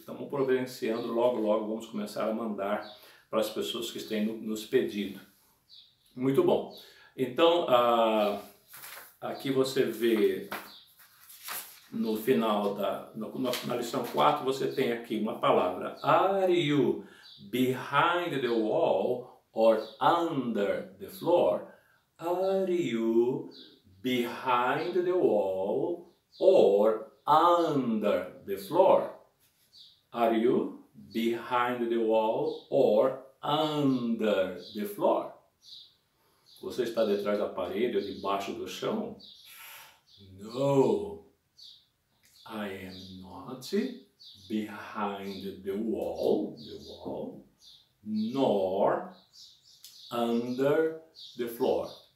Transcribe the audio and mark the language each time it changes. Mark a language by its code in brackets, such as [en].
[pt] Estamos providenciando, logo vamos começar a mandar para as pessoas que têm nos pedido. Muito bom. Então, aqui você vê no final da na lição 4, você tem aqui uma palavra. [en] Are you behind the wall or under the floor? Are you behind the wall or under the floor? Are you behind the wall or under the floor? [pt] Você está detrás da parede ou debaixo do chão? [en] No, I am not behind the wall, nor under the floor.